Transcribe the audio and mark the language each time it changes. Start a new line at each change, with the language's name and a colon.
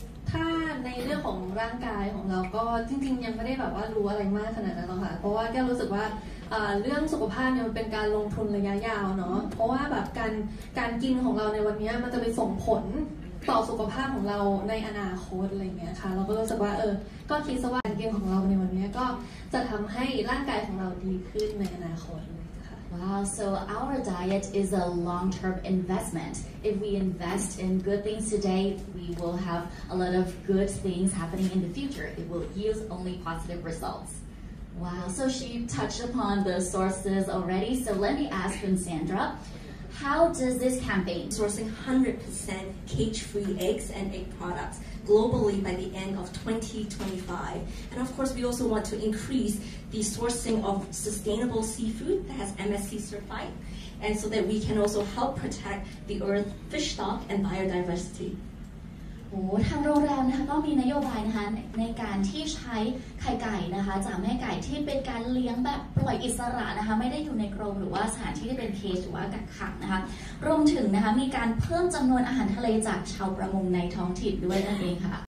Thai: ถ้าในเรื่องของร่างกายของเราก็จริงๆยังไม่ได้แบบว่ารู้อะไรมากขนาดนั้นหรอกค่ะเพราะว่าแก้วรู้สึกว่าเรื่องสุขภาพเนี่ยมันเป็นการลงทุนระยะยาวเนาะเพราะว่าแบบการกินของเราในวันนี้มันจะไปส่งผลต่อสุขภาพของเราในอนาคตอะไรเงี้ยค่ะเราก็รู้สึกว่าก็คิดซะว่าการกินของเราในวันนี้ก็จะทำให้ร่างกายของเราดีขึ้นในอนาคต
English: Wow, so our diet is a long-term investment. If we invest in good things today, we will have a lot of good things happening in the future. It will yield only positive results. Wow, so she touched upon the sources already. So let me ask from Sandra, how does this campaign sourcing 100% cage-free eggs and egg products globally by the end of 2025? And of course, we also want to increase the sourcing of sustainable seafood that has MSC certified, and so that we can also help protect the earth, fish stock, and biodiversity.
Thai: ทางโรงแรมนะคะก็มีนโยบายนะคะในการที่ใช้ไข่ไก่นะคะจากแม่ไก่ที่เป็นการเลี้ยงแบบปล่อยอิสระนะคะไม่ได้อยู่ในกรงหรือว่าสถานที่ที่เป็นเคจหรือว่ากักขังนะคะรวมถึงนะคะมีการเพิ่มจำนวนอาหารทะเลจากชาวประมงในท้องถิ่นด้วยนั่นเองค่ะ